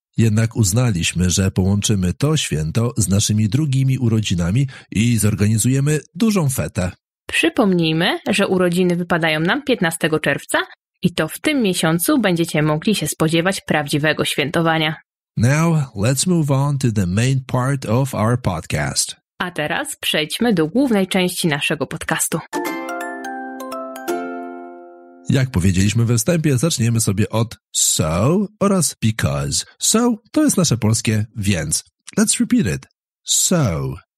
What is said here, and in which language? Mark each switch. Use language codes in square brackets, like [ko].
[pl] Jednak uznaliśmy, że połączymy to święto z naszymi drugimi urodzinami i zorganizujemy dużą fetę. Przypomnijmy, że urodziny wypadają nam 15 czerwca i to w tym miesiącu będziecie mogli się spodziewać prawdziwego świętowania. [en] Now, let's move on to the main part of our podcast. [pl] A teraz przejdźmy do głównej części naszego podcastu. Jak powiedzieliśmy we wstępie, zaczniemy sobie od so oraz because. So to jest nasze polskie więc. [en] Let's repeat it. So.